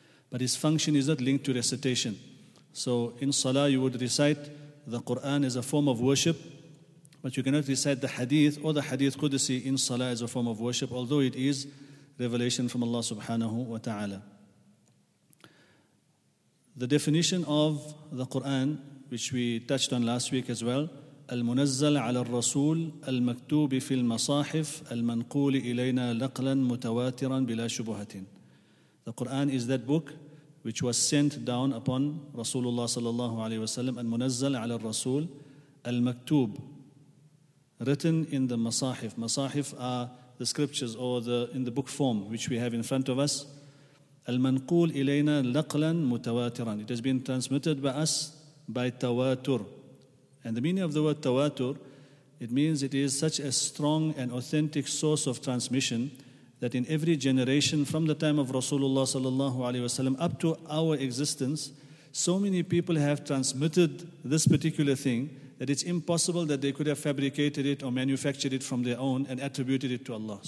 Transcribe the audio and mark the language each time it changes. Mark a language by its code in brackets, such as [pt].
[en] But its function is not linked to recitation. So in salah, you would recite the Qur'an as a form of worship, but you cannot recite the hadith or the hadith Qudsi in salah as a form of worship, although it is revelation from Allah subhanahu wa ta'ala. The definition of the Qur'an, which we touched on last week as well, [ar] المنزل على الرسول المكتوب في المصاحف المنقول إلينا نقلا متواترا بلا شبهة. [en] The Quran is that book which was sent down upon Rasulullah sallallahu alaihi wasallam. [ar] المنزل على الرسول المكتوب, [en] written in the masahif. Masahif are the scriptures or in the book form which we have in front of us. [ar] المنقول إلينا نقلا متواترا. [en] It has been transmitted by us by tawatur. And the meaning of the word tawatur, it means it is such a strong and authentic source of transmission that in every generation from the time of Rasulullah sallallahu alaihi wasallam up to our existence, so many people have transmitted this particular thing that it's impossible that they could have fabricated it or manufactured it from their own and attributed it to Allah.